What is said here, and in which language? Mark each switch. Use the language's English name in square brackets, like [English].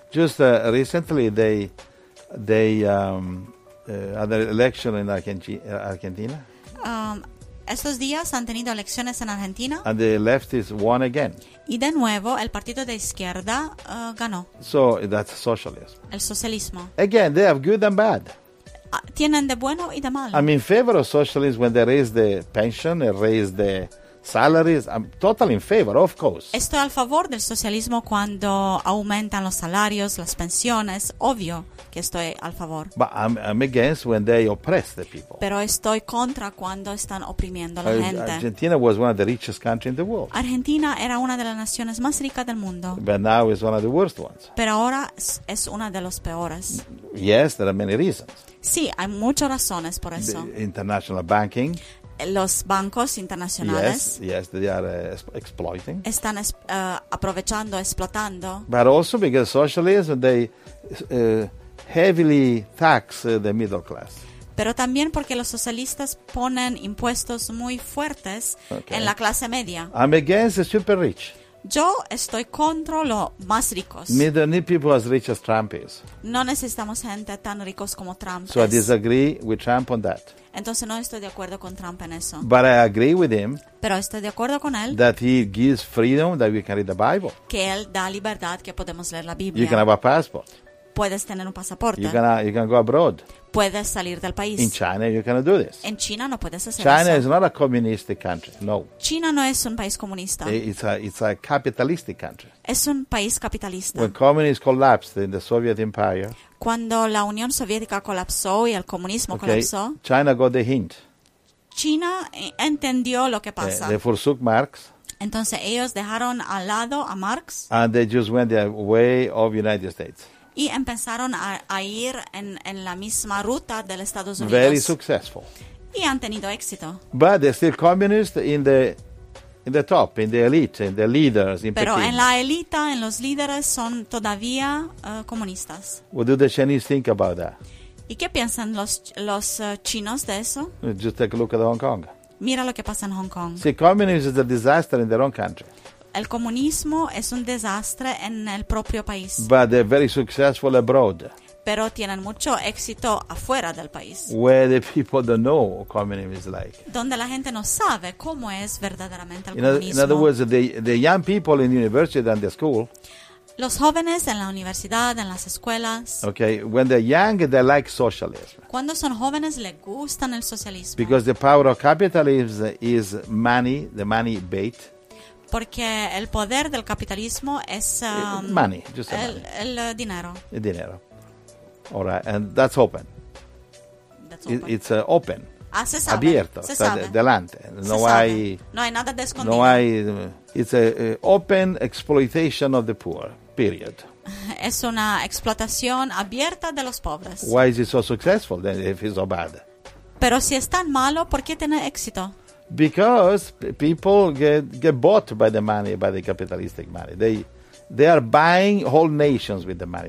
[English] Just recently they had an election in Argentina. [Spanish] Estos días han tenido elecciones en Argentina. [English] And the leftists won again. [Spanish] Y de nuevo el partido de izquierda ganó. [English] So that's socialism. [Spanish] El socialismo. [English] Again, they have good and bad. [Spanish] Tienen de bueno y de malo. [English] I'm in favor of socialism when they raise the pension, they raise the salaries. I'm totally in favor, of course. [Spanish] Estoy al favor del socialismo cuando aumentan los salarios, las pensiones. Obvio que estoy al favor. [English] But I'm against when they oppress the people. [Spanish] Pero estoy contra cuando están oprimiendo a la gente. [English] Argentina was one of the richest countries in the world. [Spanish] Argentina era una de las naciones más ricas del mundo. [English] But now is one of the worst ones. [Spanish] Pero ahora es una de los peores. [English] Yes, there are many reasons. [Spanish] Sí, hay muchas razones por eso. [English] International banking. [Spanish] Los bancos internacionales. [English] Yes, they are exploiting. [Spanish] Están aprovechando, explotando. [English] But also because socialism, they heavily tax the middle class. [Spanish] Pero también porque los socialistas ponen impuestos muy fuertes en la clase media. [English] I'm against the super rich. [Spanish] Yo estoy contra los más ricos. [English] We don't need people as rich as Trump is. [Spanish] No necesitamos gente tan ricos como Trump. [English] So I disagree with Trump on that. [Spanish] Entonces no estoy de acuerdo con Trump en eso. [English] But I agree with him. [Spanish] Pero estoy de acuerdo con él. [English] That he gives freedom that we can read the Bible. [Spanish] Que él da libertad que podemos leer la Biblia. [English] You can have a passport. [Spanish] Puedes tener un pasaporte. [English] You can go abroad. [Spanish] Puedes salir del país. [English] In China you cannot do this. [Spanish] En China no puedes hacer [English] China [Spanish] eso. [English] China is not a communist country. No. [Spanish] China no es un país comunista. [English] It's a capitalist country. [Spanish] Es un país capitalista. [English] When communism collapsed in the Soviet Empire. [Spanish] Cuando la Unión Soviética colapsó y el comunismo colapsó. [English] China got the hint. [Spanish] China entendió lo que pasa. [English] They forsook Marx. [Spanish] Entonces ellos dejaron al lado a Marx. [English] And they just went the way of United States. [Spanish] Y empezaron a ir en la misma ruta del Estados Unidos. [English] Very successful. [Spanish] Y han tenido éxito. [English] But they're still communist in the top, in the elite, in the leaders, in [Spanish] Pero Pekín. En la élite, en los líderes, son todavía comunistas. [English] What do the Chinese think about that? [Spanish] ¿Y qué piensan los chinos de eso? [English] Just take a look at Hong Kong. [Spanish] Mira lo que pasa en Hong Kong. [English] See, communism is a disaster in their own country. [Spanish] El comunismo es un desastre en el propio país. [English] But they're very successful abroad. [Spanish] Pero tienen mucho éxito afuera del país. [English] Where the people don't know what communism is like. [Spanish] Donde la gente no sabe cómo es verdaderamente el comunismo. [English] In other words, the young people in university and the school. [Spanish] Los jóvenes en la universidad, en las escuelas. [English] Okay, when they're young, they like socialism. [Spanish] Cuando son jóvenes, les gustan el socialismo. [English] Because the power of capitalism is money, the money bait. [Spanish] Porque el poder del capitalismo es el dinero. El dinero. [English] All right, and that's open. That's open. It's open. [Spanish] Abierto. Se sabe. Delante. No se hay. Sabe. No hay nada de escondido. No hay. [English] It's an open exploitation of the poor. Period. [Spanish] Es una explotación abierta de los pobres. [English] Why is it so successful then if it's so bad? [Spanish] Pero si es tan malo, ¿por qué tiene éxito? [English] Because people get bought by the money, by the capitalistic money. They are buying whole nations with the money.